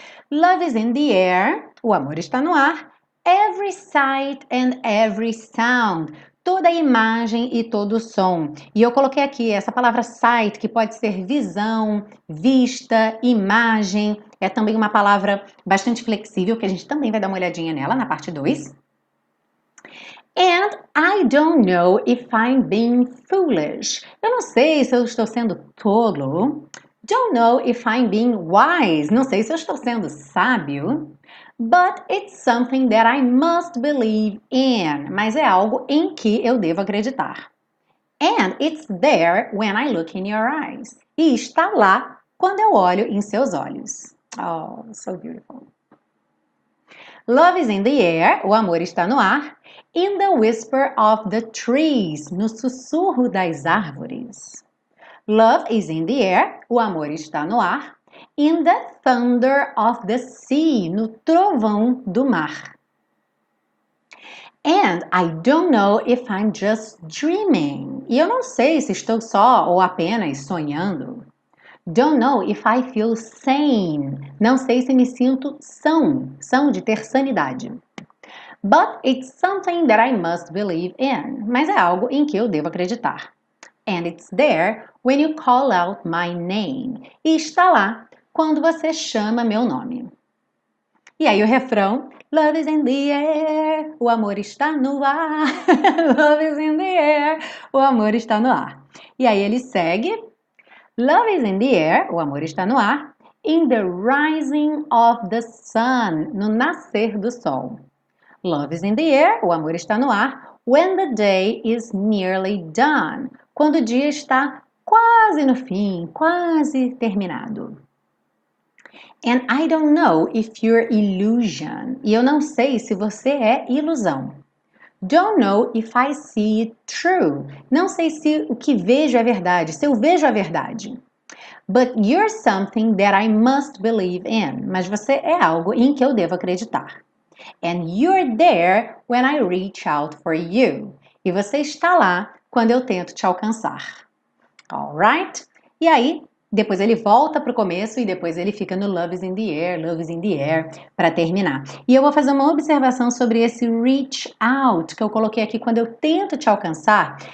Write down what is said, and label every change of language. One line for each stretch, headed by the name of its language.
English: Love is in the air,
Portuguese: o amor está no ar.
English: Every sight and every sound,
Portuguese: toda imagem e todo som. E eu coloquei aqui essa palavra sight, que pode ser visão, vista, imagem. É também uma palavra bastante flexível, que a gente também vai dar uma olhadinha nela na parte 2.
English: And I don't know if I'm being foolish.
Portuguese: Eu não sei se eu estou sendo tolo.
English: Don't know if I'm being wise.
Portuguese: Não sei se eu estou sendo sábio.
English: But it's something that I must believe in.
Portuguese: Mas é algo em que eu devo acreditar.
English: And it's there when I look in your eyes.
Portuguese: E está lá quando eu olho em seus olhos.
English: Oh, so beautiful. Love is in the air.
Portuguese: O amor está no ar.
English: In the whisper of the trees.
Portuguese: No sussurro das árvores.
English: Love is in the air.
Portuguese: O amor está no ar.
English: In the thunder of the sea,
Portuguese: no trovão do mar.
English: And I don't know if I'm just dreaming.
Portuguese: E eu não sei se estou só ou apenas sonhando.
English: Don't know if I feel sane.
Portuguese: Não sei se me sinto são de ter sanidade.
English: But it's something that I must believe in.
Portuguese: Mas é algo em que eu devo acreditar.
English: And it's there when you call out my name.
Portuguese: E está lá quando você chama meu nome. E aí o refrão.
English: Love is in the air,
Portuguese: o amor está no ar.
English: Love is in the air,
Portuguese: o amor está no ar. E aí ele segue.
English: Love is in the air,
Portuguese: o amor está no ar.
English: In the rising of the sun,
Portuguese: no nascer do sol.
English: Love is in the air,
Portuguese: o amor está no ar.
English: When the day is nearly done,
Portuguese: quando o dia está quase no fim, quase terminado.
English: And I don't know if you're illusion.
Portuguese: E eu não sei se você é ilusão.
English: Don't know if I see it true.
Portuguese: Não sei se o que vejo é verdade, se eu vejo a verdade.
English: But you're something that I must believe in.
Portuguese: Mas você é algo em que eu devo acreditar.
English: And you're there when I reach out for you.
Portuguese: E você está lá quando eu tento te alcançar.
English: All right?
Portuguese: E aí? Depois ele volta para o começo e depois ele fica no
English: love is in the air,
Portuguese: love is in the air, para terminar. E eu vou fazer uma observação sobre esse reach out que eu coloquei aqui quando eu tento te alcançar.